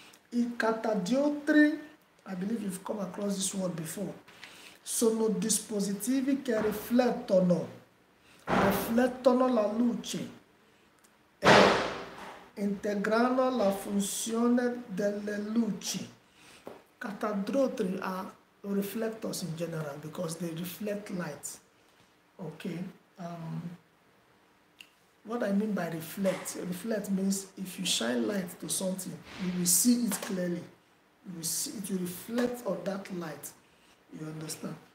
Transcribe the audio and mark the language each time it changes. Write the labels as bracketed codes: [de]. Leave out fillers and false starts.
[en] In catadioti, I believe you've come across this word before. [it] Sono dispositivi che riflettono la luce e integrano la funzione delle luci. [en] Catadioti are reflectors in general, because they reflect light. Okay. What I mean by reflect? Reflect means if you shine light to something, you will see it clearly. You will see it, you reflect on that light. You understand?